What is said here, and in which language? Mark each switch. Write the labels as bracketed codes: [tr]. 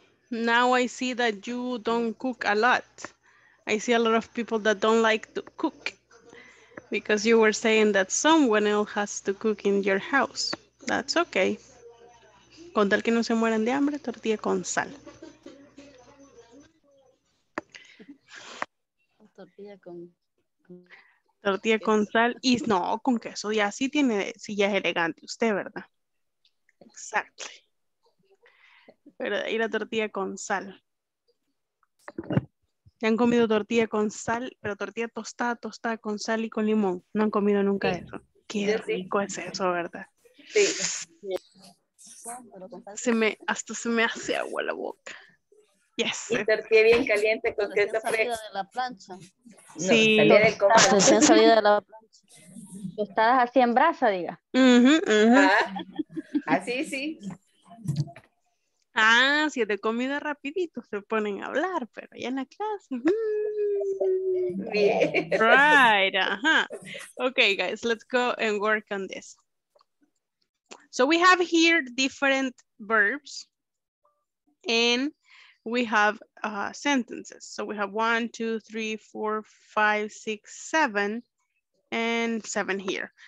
[en] Now I see that you don't cook a lot. I see a lot of people that don't like to cook because you were saying that someone else has to cook in your house. That's okay. [es] Con tal que no se mueran de hambre, tortilla con sal. Tortilla con sal y no, con queso. Ya sí tiene, sí ya es elegante usted, ¿verdad? Exactly. Pero ahí la tortilla con sal. ¿Ya han comido tortilla con sal? Pero tortilla tostada, tostada con sal y con limón. No han comido nunca sí. Eso. Qué sí, rico sí. Es eso, ¿verdad? Sí. Se me, hasta se me hace agua la boca. [en] Yes. [es] Y tortilla bien caliente con queso fresco. De la plancha. Sí. Recién salida de la plancha. Tostadas así en brasa, diga. Uh-huh. Así, sí. Ah, si es de comida rapidito se ponen a hablar, pero ya en la clase. Bien. Right, ajá. [en] Okay, guys, let's go and work on this. So we have here different verbs and we have sentences. So we have 1, 2, 3, 4, 5, 6, 7, and 7 here.